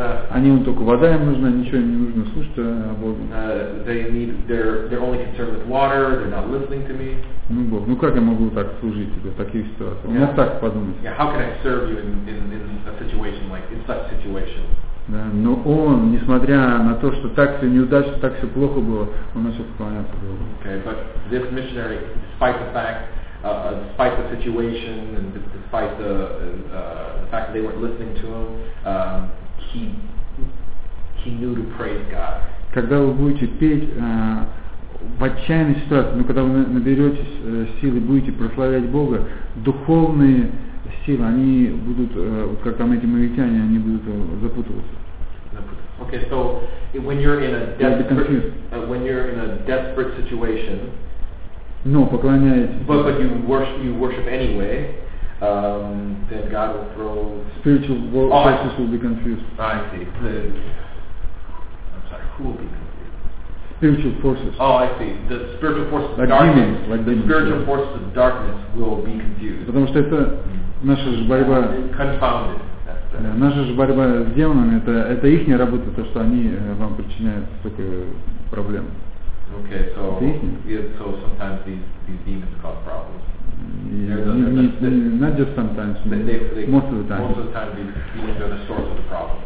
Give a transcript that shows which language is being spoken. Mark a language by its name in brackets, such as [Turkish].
[Russian] Они им только вода им нужна, ничего им не нужно, слушать о Боге. [English] They're only concerned with water. They're not listening to me. [Russian] Ну, Бог, ну как я могу так служить тебе в таких ситуациях? Yeah. Он мог так подумать. [English] Yeah, how can I serve you in a situation like in such situation? [Russian] Да, но он, несмотря на то, что так все неудачно, так все плохо было, он начал поклоняться Богу. [English] Okay, but this missionary, despite the fact, despite the situation, and despite the fact that they weren't listening to him, he knew to praise God. [Russian] Когда вы будете петь в отчаянной ситуации, но когда вы наберетесь силы, будете прославлять Бога, духовные силы, они будут, вот как там эти моритяне, они будут запутываться. [English] Okay, so when you're in a desperate situation, [Russian] но поклоняетесь. [English] But you worship anyway, then God will throw spiritual forces will be confused. I see. Who will be confused? Spiritual forces. Oh, I see. The spiritual forces like of darkness. Demons, like demons, the spiritual forces of darkness will be confused. [Russian] Потому что это наша же борьба. [English] Confounded. [Russian] Наша же борьба с демонами, это их работа, то, что они вам причиняют столько проблем. [English] Okay, so, so sometimes these demons cause problems. Not just sometimes, most of the time. Most of the time these demons are the source of the problem.